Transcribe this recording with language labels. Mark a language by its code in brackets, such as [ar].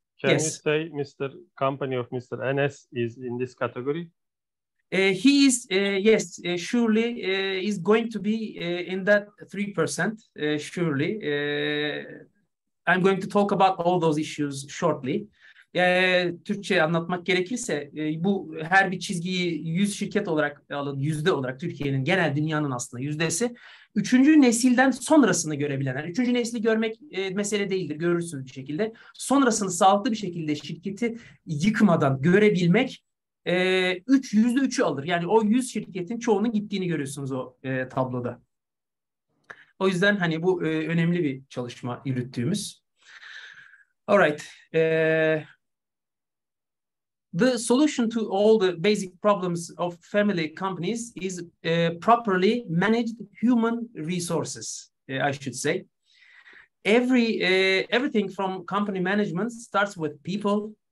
[en] Can yes. you say Mr. Company of Mr. NS is in this category? He is, yes, surely is going to be in that 3%, surely. I'm going to talk about all those issues shortly. [tr] Türkçe anlatmak gerekirse bu her bir çizgiyi 100 şirket olarak alın, yüzde olarak Türkiye'nin genel dünyanın aslında yüzdesi. Üçüncü nesilden sonrasını görebilenler. Üçüncü nesli görmek mesele değildir, görürsünüz bir şekilde. Sonrasını sağlıklı bir şekilde şirketi yıkmadan görebilmek %3'ü alır. Yani o 100 şirketin çoğunun gittiğini görüyorsunuz o tabloda. O yüzden hani bu önemli bir çalışma yürüttüğümüz. [en] All right. The solution to all the basic problems of family companies is properly managed human resources, I should say. Everything from company management starts with people.